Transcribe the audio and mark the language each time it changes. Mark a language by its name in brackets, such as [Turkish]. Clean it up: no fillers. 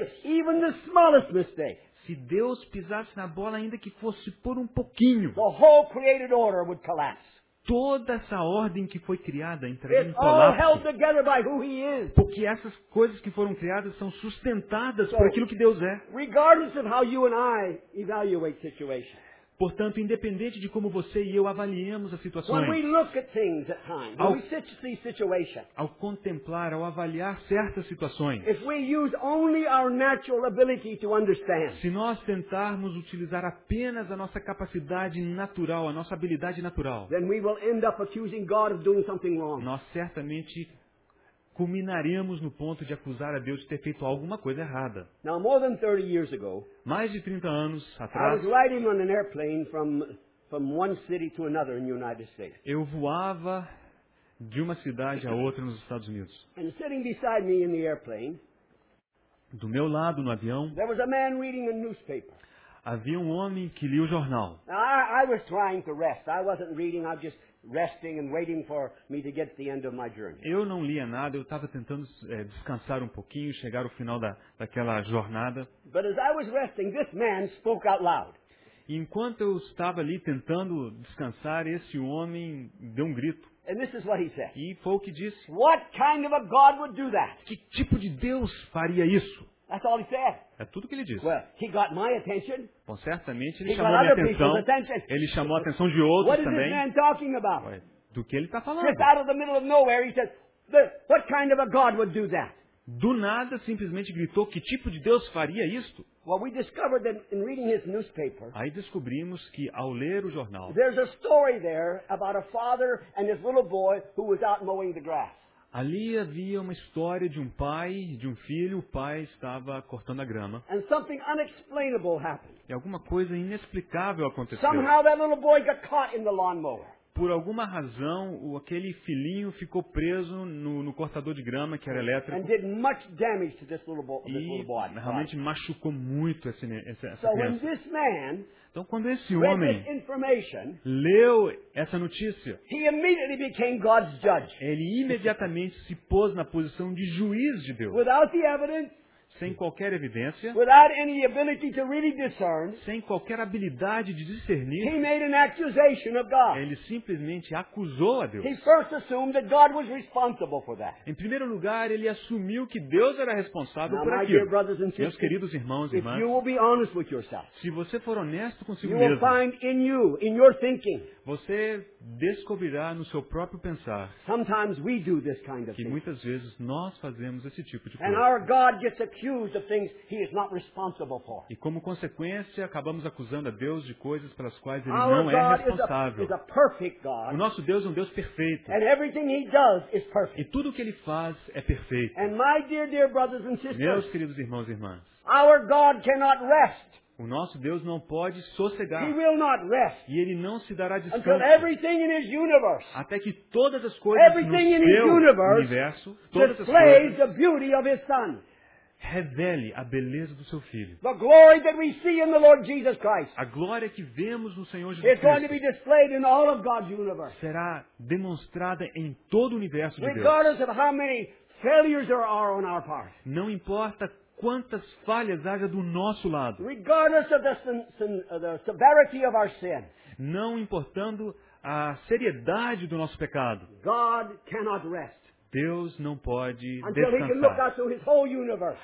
[English] God ever made even the smallest mistake. [Portuguese] Se Deus pisasse na bola, ainda que fosse por um pouquinho, [English] the whole created order would collapse. [Portuguese] Toda essa ordem que foi criada entraria [English] it's [Portuguese] em colapso. [English] All held together by who he is. [Portuguese] Porque essas coisas que foram criadas são sustentadas por aquilo que Deus é. [English] Regardless of how you and I evaluate situations. [Portuguese] Portanto, independente de como você e eu avaliemos as situações, [English] when we look at things at times, when we sit to see situations, [Portuguese] ao contemplar, ao avaliar certas situações, [English] if we use only our natural ability to understand, [Portuguese] se nós tentarmos utilizar apenas a nossa capacidade natural, a nossa habilidade natural, [English] then we will end up accusing God of doing something wrong. [Portuguese] Nós certamente culminaremos no ponto de acusar a Deus de ter feito alguma coisa errada. [English] Now, more than 30 years ago, [Portuguese] mais de 30 anos atrás, [English] I was riding on an airplane from one city to another in the United States. [Portuguese] Eu voava de uma cidade a outra nos Estados Unidos. [English] And sitting beside me in the airplane, [Portuguese] do meu lado no avião, [English] there was a man reading a newspaper. [Portuguese] Havia um homem que lia o jornal. [English] I was trying to rest. I wasn't reading, I was just resting and waiting for me to get to the end of my journey. [Portuguese] Eu não lia nada, eu estava tentando descansar um pouquinho, chegar ao final daquela jornada. [English] But as I was resting, this man spoke out loud. [Portuguese] Enquanto eu estava ali tentando descansar, esse homem deu um grito. [English] And this is what he said. [Portuguese] E foi o que disse. [English] What kind of a God would do that? [Portuguese] Que tipo de Deus faria isso? [English] That's all he said. [Portuguese] É tudo que ele disse. [English] Well, he got my attention. [Portuguese] Bom, certamente ele chamou minha atenção. Ele chamou a atenção de outros [English] what [Portuguese] também. [English] What is this man talking about? [Portuguese] Do que ele está falando? [English] Just out of the middle of nowhere, he says, "What kind of a God would do that?" [Portuguese] Do nada, simplesmente gritou, que tipo de Deus faria isto? [English] Well, we discovered that in reading his newspaper. [Portuguese] Aí descobrimos que ao ler o jornal. [English] There's a story there about a father and his little boy who was out mowing the grass. [Portuguese] Ali havia uma história de um pai e de um filho. O pai estava cortando a grama. [English] And something unexplainable happened. [Portuguese] E alguma coisa inexplicável aconteceu. [English] Somehow that little boy got caught in the lawnmower. [Portuguese] Por alguma razão, aquele filhinho ficou preso no cortador de grama, que era elétrico. [English] And did much damage to this little boy, [Portuguese] e realmente machucou muito essa criança. [English] So when this man, [Portuguese] então, quando esse homem leu essa notícia, [English] he immediately became God's judge. [Portuguese] Ele imediatamente se pôs na posição de juiz de Deus. [English] Without the evidence, [Portuguese] sem qualquer evidência, [English] without any ability to really discern, [Portuguese] sem qualquer habilidade de discernir, [English] he made an accusation of God. [Portuguese] Ele simplesmente acusou a Deus. [English] He first assumed that God was responsible for that. [Portuguese] Em primeiro lugar, ele assumiu que Deus era responsável [English] Now, [Portuguese] por [English] my [Portuguese] aquilo. [English] Dear brothers and sisters, [Portuguese] meus queridos irmãos e irmãs, [English] if you will be honest with yourself, [Portuguese] se você for honesto consigo [English] you [Portuguese] mesmo, [English] will find in you, in your thinking, [Portuguese] você descobrirá no seu próprio pensar [English] sometimes we do this kind of [Portuguese] que [English] thing. [Portuguese] Muitas vezes nós fazemos esse tipo de [English] and [Portuguese] coisa. [English] Our God gets accused of things he is not responsible for. [Portuguese] E como consequência, acabamos acusando a Deus de coisas pelas quais ele [English] our [Portuguese] não [English] God [Portuguese] é responsável. [English] Is a perfect God. [Portuguese] O nosso Deus é um Deus perfeito. [English] And everything he does is perfect. [Portuguese] E tudo o que ele faz é perfeito. [English] And my dear brothers and sisters, [Portuguese] meus queridos irmãos e irmãs, [English] our God cannot rest. [Portuguese] O nosso Deus não pode sossegar. [English] He will not rest. [Portuguese] E ele não se dará descanso. [English] Until everything in his universe, [Portuguese] até que todas as coisas [English] everything [Portuguese] no seu [English] in his universe, [Portuguese] universo, [English] displays [Portuguese] coisas, [English] the beauty of his son. [Portuguese] Revele a beleza do seu filho. [English] The glory that we see in the Lord Jesus Christ. [Portuguese] A glória que vemos no Senhor Jesus [English] it's [Portuguese] Cristo. [English] Going to be displayed in all of God's universe. [Portuguese] Será demonstrada em todo o universo de [English] regardless [Portuguese] Deus. [English] Of how many failures there are on our part. [Portuguese] Não importa quantas falhas haja do nosso lado. [English] Regardless of the severity of our sin. [Portuguese] Não importando a seriedade do nosso pecado. [English] God cannot rest. [Portuguese] Deus não pode descansar